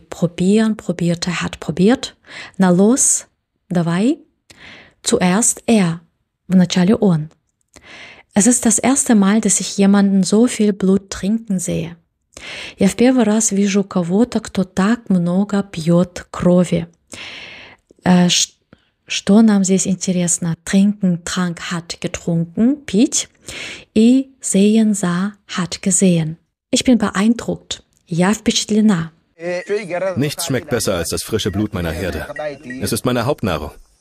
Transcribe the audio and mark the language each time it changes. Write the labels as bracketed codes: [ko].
[de] Probieren, probierte, hat probiert. Na los, давай. Zuerst er. [ru] Вначале он. [de] Es ist das erste Mal, dass ich jemanden so viel Blut trinken sehe. [ru] Я в первый раз вижу кого-то, кто так много пьет крови. Что нам здесь интересно? [de] Trinken, trank, hat getrunken, пить. И sehen, sah, hat gesehen. Ich bin beeindruckt. [ru] Я впечатлена. [de] Nichts schmeckt besser als das frische Blut meiner Herde. Es ist meine Hauptnahrung.